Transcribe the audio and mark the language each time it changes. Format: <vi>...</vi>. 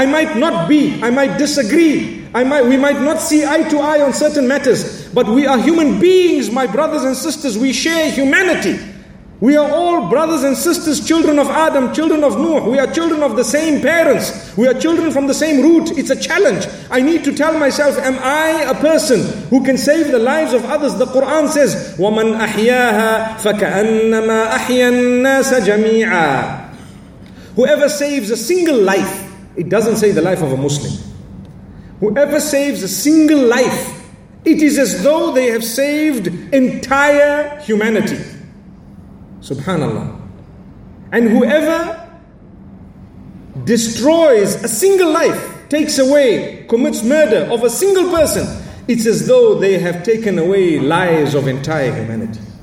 <en>We might not see eye to eye on certain matters, but we are human beings, my brothers and sisters. We share humanity. We are all brothers and sisters, children of Adam, children of Noah. We are children of the same parents. We are children from the same root. It's a challenge. I need to tell myself, am I a person who can save the lives of others? The Quran says,</en> <ar>وَمَنْ أَحْيَاهَا فَكَأَنَّمَا أَحْيَا النَّاسَ جَمِيعًا.</ar> <en>Whoever saves a single life, it doesn't say the life of a Muslim. Whoever saves a single life, it is as though they have saved entire humanity. Subhanallah. And whoever destroys a single life, takes away, commits murder of a single person, it's as though they have taken away lives of entire humanity.</en>